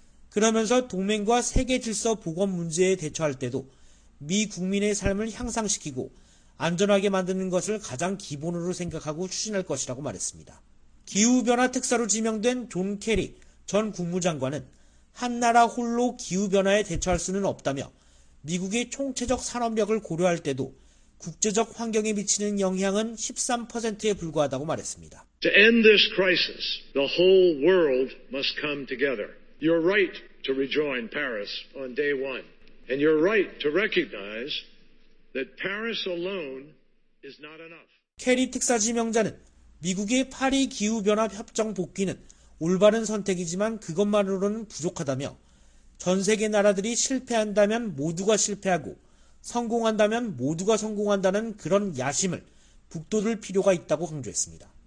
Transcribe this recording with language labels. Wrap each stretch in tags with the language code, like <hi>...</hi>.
<ko>그러면서 동맹과 세계 질서 복원 문제에 대처할 때도 미 국민의 삶을 향상시키고 안전하게 만드는 것을 가장 기본으로 생각하고 추진할 것이라고 말했습니다. 기후변화 특사로 지명된 존 케리 전 국무장관은 한 나라 홀로 기후변화에 대처할 수는 없다며 미국의 총체적 산업력을 고려할 때도 국제적 환경에 미치는 영향은 13%에 불과하다고 말했습니다.</ko> <en>To end this crisis, the whole world must come together. You're right to rejoin Paris on day one. And you're right to recognize that Paris alone is not enough.</en> <ko>캐리 특사 지명자는 미국의 파리 기후변화 협정 복귀는 올바른 선택이지만 그것만으로는 부족하다며 전 세계 나라들이 실패한다면 모두가 실패하고 성공한다면 모두가 성공한다는 그런 야심을 북돋을 필요가 있다고 강조했습니다.</ko>